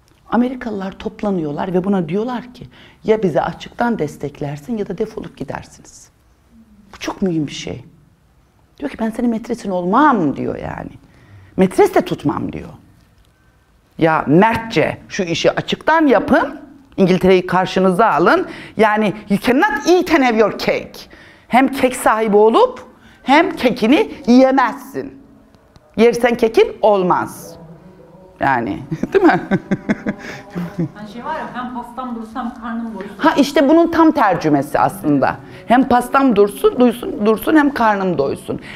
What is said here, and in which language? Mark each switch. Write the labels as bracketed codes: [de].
[tr] Amerikalılar toplanıyorlar ve buna diyorlar ki ya bizi açıktan desteklersin ya da defolup gidersiniz. Bu çok mühim bir şey. Diyor ki ben senin metresin olmam diyor yani. Metres de tutmam diyor. Ya mertçe şu işi açıktan yapın. İngiltere'yi karşınıza alın. Yani [en] you cannot eat and have your cake. [tr] Hem kek sahibi olup hem kekini yiyemezsin. Yersen kekin olmaz. Yani, değil mi? Hani şey var ya, hem pastam dursun hem karnım doysun. Ha işte bunun tam tercümesi aslında. Hem pastam dursun, dursun hem karnım doysun.